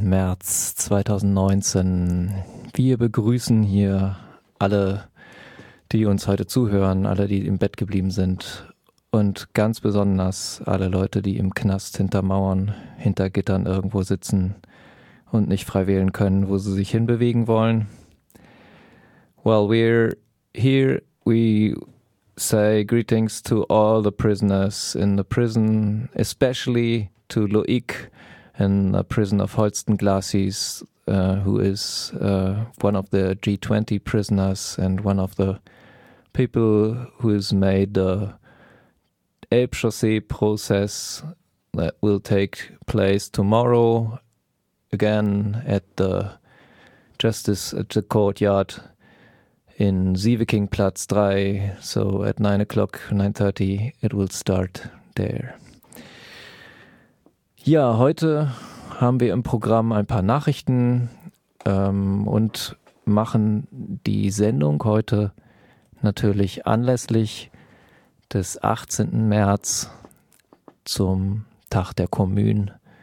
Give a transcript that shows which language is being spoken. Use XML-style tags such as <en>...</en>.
<de>März 2019. Wir begrüßen hier alle, die uns heute zuhören, alle, die im Bett geblieben sind und ganz besonders alle Leute, die im Knast hinter Mauern, hinter Gittern irgendwo sitzen und nicht frei wählen können, wo sie sich hinbewegen wollen.</de> <en>Well, we're here. We say greetings to all the prisoners in the prison, especially to Loïc in the prison of Holsten-Glacis, who is one of the G20 prisoners and one of the people who has made the Elbchaussee process that will take place tomorrow again at the justice at the courtyard in Sievekingplatz 3, so at 9 o'clock, 9:30, it will start there.</en> <de>Ja, heute haben wir im Programm ein paar Nachrichten und machen die Sendung heute natürlich anlässlich des 18. März zum Tag der Commune.</de>